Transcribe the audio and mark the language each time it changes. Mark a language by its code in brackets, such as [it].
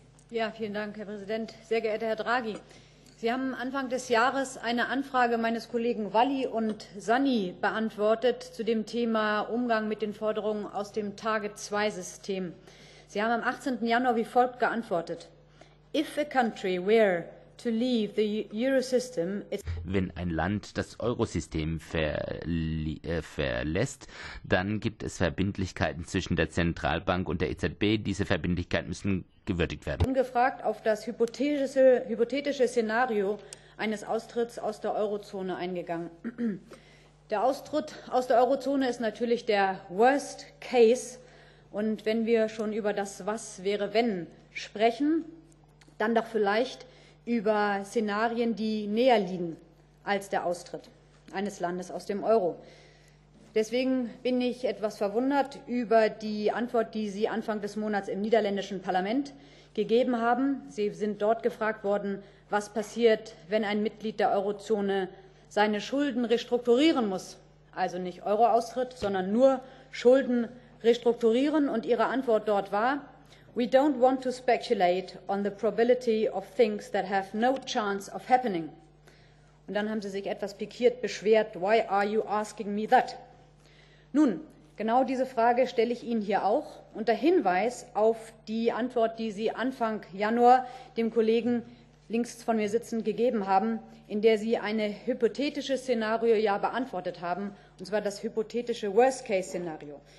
[de] Ja, vielen Dank, Herr Präsident. Sehr geehrter Herr Draghi, Sie haben Anfang des Jahres eine Anfrage meines Kollegen Walli und Sani beantwortet zu dem Thema Umgang mit den Forderungen aus dem Target-2-System. Sie haben am 18. Januar wie folgt geantwortet. [en] If a country were to leave the Eurosystem, it's [de] Wenn ein Land das Eurosystem verlässt, dann gibt es Verbindlichkeiten zwischen der Zentralbank und der EZB. Diese Verbindlichkeiten müssen gewürdigt werden. Ungefragt auf das hypothetische Szenario eines Austritts aus der Eurozone eingegangen. Der Austritt aus der Eurozone ist natürlich der Worst Case. Und wenn wir schon über das Was wäre, wenn sprechen, dann doch vielleicht über Szenarien, die näher liegen als der Austritt eines Landes aus dem Euro. Deswegen bin ich etwas verwundert über die Antwort, die Sie Anfang des Monats im niederländischen Parlament gegeben haben. Sie sind dort gefragt worden, was passiert, wenn ein Mitglied der Eurozone seine Schulden restrukturieren muss, also nicht Euro-Austritt, sondern nur Schulden restrukturieren. Und Ihre Antwort dort war, [en] We don't want to speculate on the probability of things that have no chance of happening. [de] Und dann haben Sie sich etwas pikiert beschwert, [en] Why are you asking me that? [de] Nun, genau diese Frage stelle ich Ihnen hier auch unter Hinweis auf die Antwort, die Sie Anfang Januar dem Kollegen links von mir sitzend gegeben haben, in der Sie ein hypothetisches Szenario ja beantwortet haben, und zwar das hypothetische Worst-Case-Szenario.